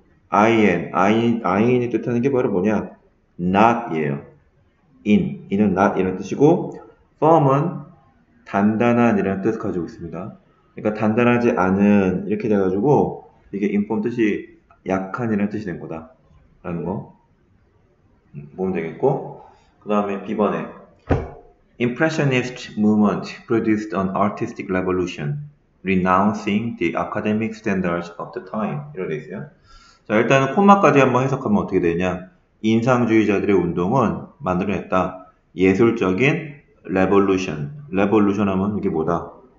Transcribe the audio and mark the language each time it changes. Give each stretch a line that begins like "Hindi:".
Korean: in이 뜻하는 게 바로 뭐냐? not이에요. in은 not 이런 뜻이고 firm은 단단한 이런 뜻을 가지고 있습니다. 그러니까 단단하지 않은 이렇게 돼가지고 이게 inform 뜻이 약한 이런 뜻이 된 거다라는 거. 보면 되겠고, 그 다음에 B번에
English: Impressionist movement produced an artistic revolution, renouncing the academic standards of the time.
Korean: 이렇게 되어있어요. 자, 일단은 콤마까지 한번 해석하면 어떻게 되냐. 인상주의자들의 운동은 만들어냈다. 예술적인 revolution. revolution 하면 이게 뭐다?